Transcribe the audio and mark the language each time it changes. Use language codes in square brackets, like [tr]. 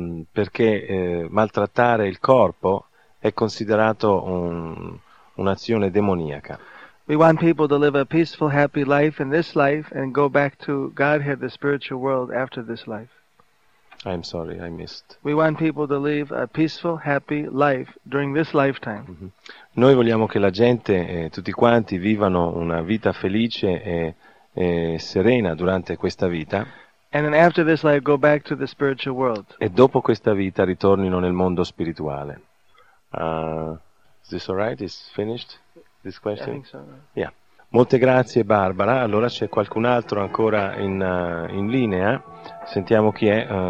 [it] Perché maltrattare il corpo è considerato un'azione demoniaca. [en] We want people to live a peaceful, happy life in this life and go back to Godhead, the spiritual world, after this life. I'm sorry, I missed. We want people to live a peaceful, happy life during this lifetime. Mm-hmm. [it] Noi vogliamo che la gente, tutti quanti, vivano una vita felice e serena durante questa vita. [en] And then after this life go back to the spiritual world. [it] E dopo questa vita ritornino nel mondo spirituale. [en] Is this all right? Is finished? This question? I think so. [it] Yeah. Molte grazie Barbara. Allora c'è qualcun altro ancora in, in linea. Sentiamo chi è.